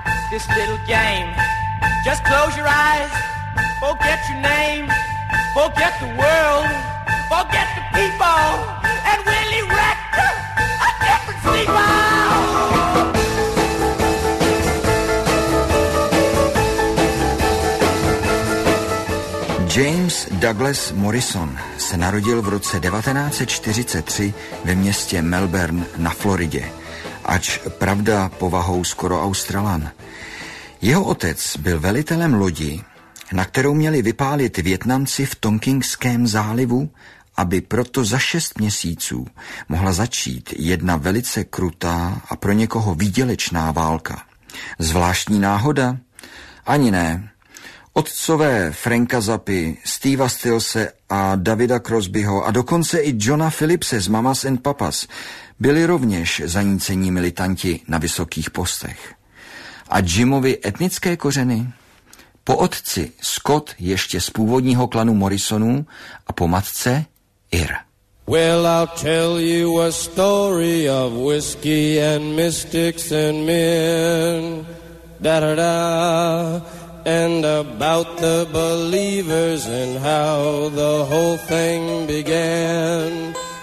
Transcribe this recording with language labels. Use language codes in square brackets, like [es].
[en] This little game, just close your eyes, forget your name, forget the world, forget the people, and we'll erect a different steeple. [cs] James Douglas Morrison se narodil v roce 1943 ve městě Melbourne na Floridě, ač pravda povahou skoro Australan. Jeho otec byl velitelem lodi, na kterou měli vypálit Vietnamci v Tonkinském zálivu, aby proto za 6 měsíců mohla začít jedna velice krutá a pro někoho výdělečná válka. Zvláštní náhoda? Ani ne. Otcové Franka Zappy, Steve'a Stillse a Davida Crosbyho a dokonce i Johna Phillipse z Mamas and Papas byli rovněž zanícení militanti na vysokých postech. A Jimovy etnické kořeny? Po otci Scott ještě z původního klanu Morrisonů a po matce Ir. [en] Well, I'll tell you a story of whiskey and mystics and men. Da-da-da. And about the believers and how the whole thing began.